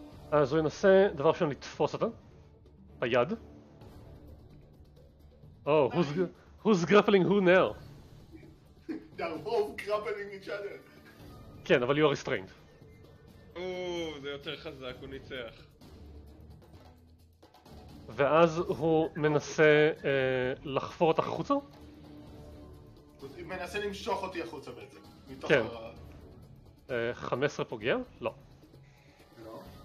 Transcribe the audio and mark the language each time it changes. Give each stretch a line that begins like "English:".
Hebrew: אז הוא ינסה דבר שם לתפוס אותה ביד. או,
English: who's grappling who now? They're both grappling each other.
Hebrew: כן, אבל
English: you are restrained.
Hebrew: או, זה יותר חזק, הוא ניצח. ואז הוא מנסה לחפור אותך החוצה? הוא מנסה למשוך אותי החוצה בעצם, מתוך ה... 15 פוגע? לא. לא.